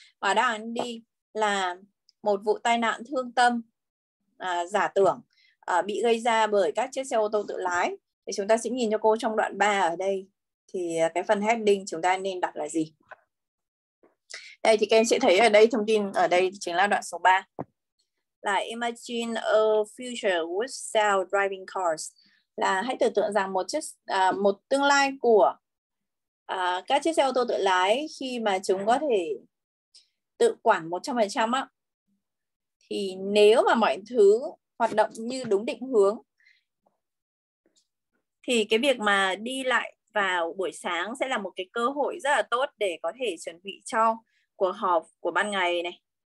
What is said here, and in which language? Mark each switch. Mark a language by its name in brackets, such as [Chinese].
[Vietnamese] Và đáp án D là một vụ tai nạn thương tâm giả tưởng bị gây ra bởi các chiếc xe ô tô tự lái. Thì chúng ta sẽ nhìn cho cô trong đoạn 3 ở đây. Thì cái phần heading chúng ta nên đặt là gì? Đây thì các em sẽ thấy ở đây, thông tin ở đây chính là đoạn số 3. [English] Là imagine a future with self-driving cars. [Vietnamese] Là hãy tưởng tượng rằng một tương lai của các chiếc xe ô tô tự lái khi mà chúng có thể tự quản 100% á. Thì nếu mà mọi thứ hoạt động như đúng định hướng thì cái việc mà đi lại vào buổi sáng sẽ là một cái cơ hội rất là tốt để có thể chuẩn bị cho cuộc họp của ban ngày này.